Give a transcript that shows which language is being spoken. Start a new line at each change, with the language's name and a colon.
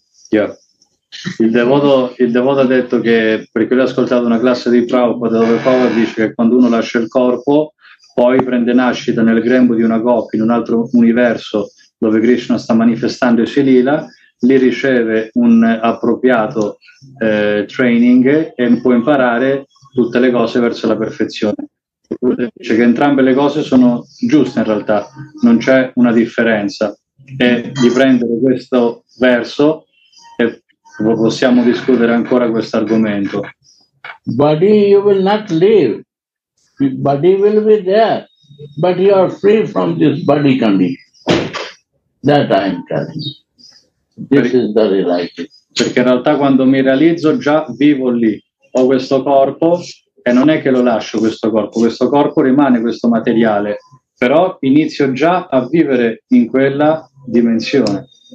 Italian: Il devoto ha detto che, perché lui ha ascoltato una classe di Prabhupada dove Prabhupada dice che quando uno lascia il corpo poi prende nascita nel grembo di una gopi in un altro universo dove Krishna sta manifestando i suoi lila, lì riceve un appropriato training e può imparare tutte le cose verso la perfezione. Dice che entrambe le cose sono giuste in realtà, non c'è una differenza. E di prendere questo verso e possiamo discutere ancora questo argomento.
English: Body you will not leave. Body will be there, but you are free from this body condition. That I am telling. This is the reality.
Italian: Perché in realtà quando mi realizzo già vivo lì, ho questo corpo e non è che lo lascio questo corpo rimane questo materiale, però inizio già a vivere in quella dimensione.